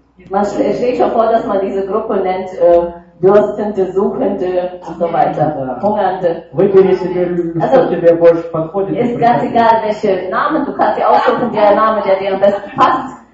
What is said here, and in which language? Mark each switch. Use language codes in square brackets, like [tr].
[de] Man stellt schon vor, dass man diese Gruppe nennt. Дёрстенте, зухенте, хунганте. [ru] Выбери себе, что тебе больше подходит. [de] Ist ganz egal, welche Namen, du kannst dir aussuchen, der Name, der dir am besten passt.